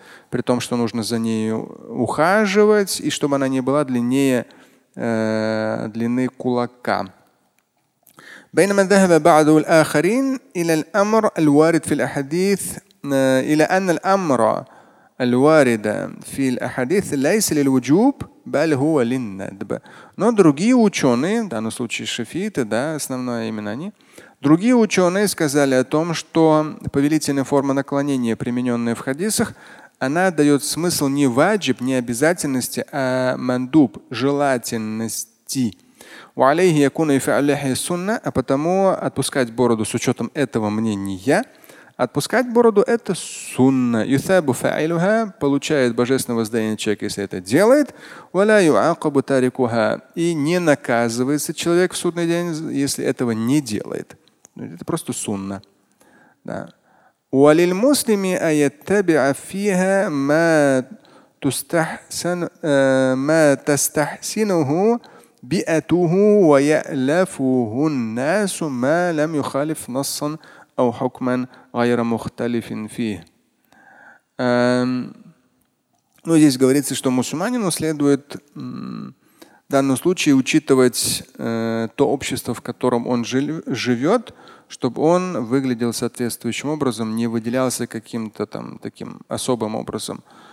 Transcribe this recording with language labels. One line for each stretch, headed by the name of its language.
Russian: При том, что нужно за ней ухаживать, и чтобы она не была длиннее длины кулака.
Arabic: بينما ذهب بعض الآخرين إلى الأمر الوارد في الأحاديث إلى أن الأمر الوارد في الأحاديث ليس للوجوب بل هو للندب.
Russian: Но другие ученые, в данном случае шафиты, да, основное именно они, другие ученые сказали о том, что повелительная форма наклонения, примененная в хадисах, она дает смысл не ваджиб, не обязательности, а мандуб, желательности. А потому отпускать бороду с учетом этого мнения, отпускать бороду – это сунна.
Arabic: Юсабу фаилюха
Russian: – получает божественное воздаяние человек, если это делает.
Arabic: Валя юакабу тарикуха
Russian: – и не наказывается человек в судный день, если этого не делает. Это просто сунна.
Arabic: Валиль муслими айяттабиа фиха ма тустахсан, ма тастахсинуху بِئَتُهُ وَيَأْلَفُهُ النَّاسُ مَا لَمْ يُخَالِفْ نَصًا أَوْ حُكْمًا غَيْرَ مُخْتَلِفٍ فِيهِ.
Russian: Ну, здесь говорится, что мусульманину следует в данном случае учитывать то общество, в котором он живет, чтобы он выглядел соответствующим образом, не выделялся каким-то там таким особым образом.